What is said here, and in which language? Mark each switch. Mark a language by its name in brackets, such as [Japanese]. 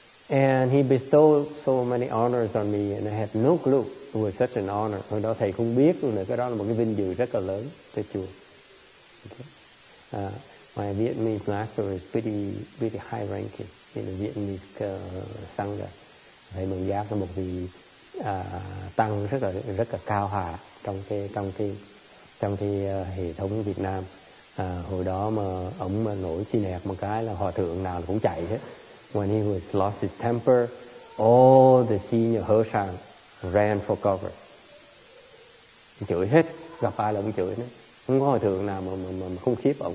[English] And he bestowed so many honors on me, and I had no clue it was such an honor. [Vietnamese] Hồi đó thầy không biết luôn là cái đó là một cái vinh dự rất là lớn cho chùa. [English] Okay. My Vietnamese master is pretty high ranking in the Vietnamese sangha. [Vietnamese] Thầy Mừng Giác là một vị tăng rất là cao hạ trong cái hệ thống Việt Nam. Hồi đó mà ông mà nổi xin hẹp một cái là hòa thượng nào cũng chạy hết. [English] When he was lost his temper, all the senior hoshang ran for cover. [Vietnamese] Chửi hết, gặp ai là cũng chửi hết. Không có hòa thượng nào mà không khiếp ông.